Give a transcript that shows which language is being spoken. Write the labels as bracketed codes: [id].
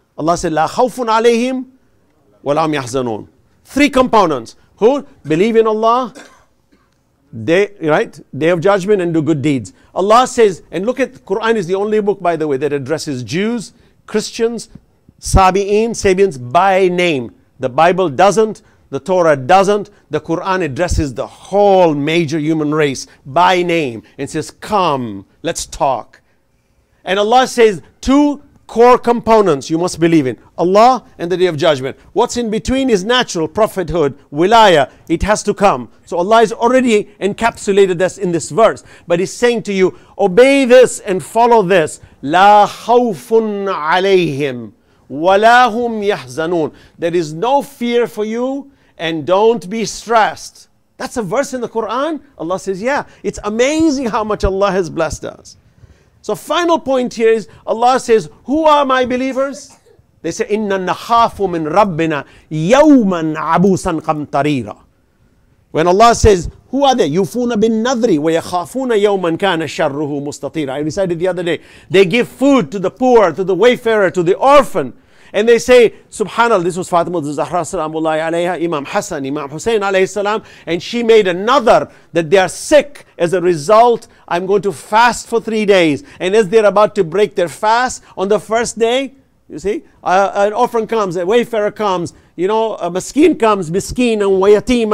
[en] Allah said, [ar] لَا خَوْفٌ عَلَيْهِمْ وَلَا هُمْ يَحْزَنُونَ. [en] Three components. Who? Believe in Allah, Day of Judgment, and do good deeds. Allah says, and look at, Quran is the only book, by the way, that addresses Jews, Christians, Sabi'in, Sabians by name. The Bible doesn't, the Torah doesn't, the Quran addresses the whole major human race by name and says, come, let's talk. And Allah says two core components you must believe in: Allah and the Day of Judgment. What's in between is natural, prophethood, wilaya. It has to come. So Allah has already encapsulated this in this verse. But He's saying to you, obey this and follow this. [ar] La khawfun alayhim wa la hum yahzanun. [en] There is no fear for you and don't be stressed. That's a verse in the Quran. Allah says, yeah. It's amazing how much Allah has blessed us. So final point here is, Allah says, who are my believers? They say, [ar] إِنَّا نَخَافُ مِنْ رَبِّنَا يَوْمًا عَبُوسًا قَمْطَرِيرًا. [en] When Allah says, who are they? [ar] يُفُونَ بِالنَّذْرِ وَيَخَافُونَ يَوْمًا كَانَ شَرُّهُ مُسْتَطِيرًا. [en] I recited the other day. They give food to the poor, to the wayfarer, to the orphan. And they say, SubhanAllah, this was Fatima al-Zahra, [ar] salamullahi alayha, [en] Imam Hassan, Imam Hussein, [ar] alayhi salam, [en] and she made another that they are sick. As a result, I'm going to fast for 3 days. And as they're about to break their fast on the first day, you see, an orphan comes, a wayfarer comes, you know, a miskeen comes, miskeen and wayateem.